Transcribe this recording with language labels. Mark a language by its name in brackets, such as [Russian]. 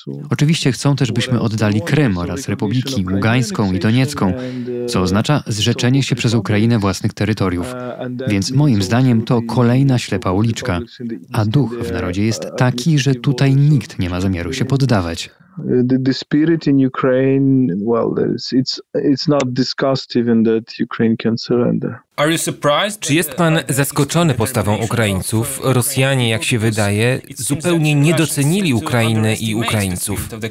[Polish] Oczywiście chcą też, byśmy oddali Krym oraz Republiki Ługańską i Doniecką, co oznacza zrzeczenie się przez Ukrainę własnych terytoriów. Więc moim zdaniem to kolejna ślepa uliczka. A duch w narodzie jest taki, że tutaj nikt nie ma zamiaru się poddawać. [English] The spirit in Ukraine, well, it's not discussed even that Ukraine can surrender. Are you surprised? [Polish] Czy jest pan zaskoczony postawą Ukraińców? Rosjanie, jak się wydaje, zupełnie nie docenili Ukrainy i Ukraińców.